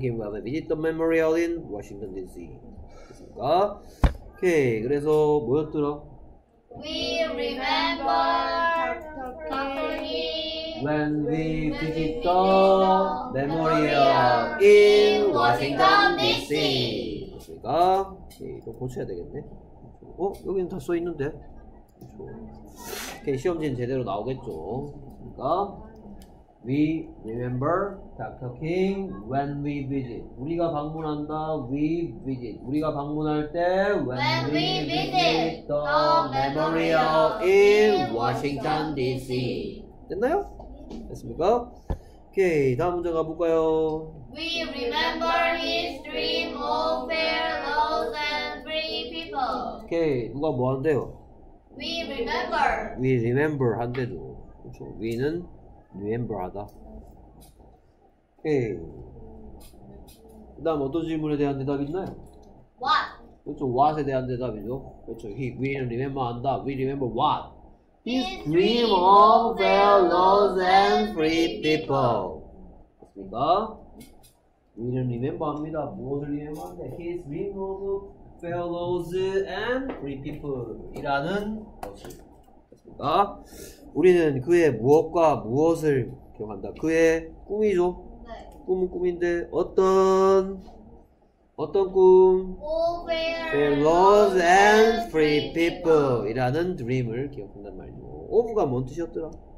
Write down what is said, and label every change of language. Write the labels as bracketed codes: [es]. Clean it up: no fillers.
[en] King when we visit the memorial in Washington, D.C. [ko] 그니까 오케이 그래서 뭐였더라? [en] We remember Dr. King when when we visit the memorial in Washington DC. [ko] 그러니까 이거 고쳐야 되겠네. 어? 여기는 다 써있는데. 오케이, 시험지는 제대로 나오겠죠. [en] 그러니까 We remember Dr. King when we visit. [ko] 우리가 방문한다. [en] We visit. [ko] 우리가 방문할 때 [en] When we visit the memorial in Washington, D.C. [ko] 됐나요? 됐습니까? 오케이, 다음 문제 가볼까요? [en] We remember his dream of fair laws and free people. [ko] 오케이, 누가 뭐 한대요? [en] We remember. We remember [ko] 한대도. 그렇죠. We는 remember 하다. 오케이. 그 다음 어떤 질문에 대한 대답이 있나요? [en] What? [ko] 그렇죠. What에 대한 대답이죠. 그렇죠. We remember 한다. [en] We remember what? His dream of fair laws and free people. [ko] 맞습니까? [en] We remember [ko] 합니다. 무엇을 remember 한대? [en] His dream of fair laws and free people. [ko] 이라는 것이. 맞습니까? 우리는 그의 무엇과 무엇을 기억한다. 그의 꿈이죠. 네. 꿈은 꿈인데 어떤 꿈? [en] For laws and free [ko] people이라는 dream을 기억한단 말이죠. Of가 뭔 뜻이었더라?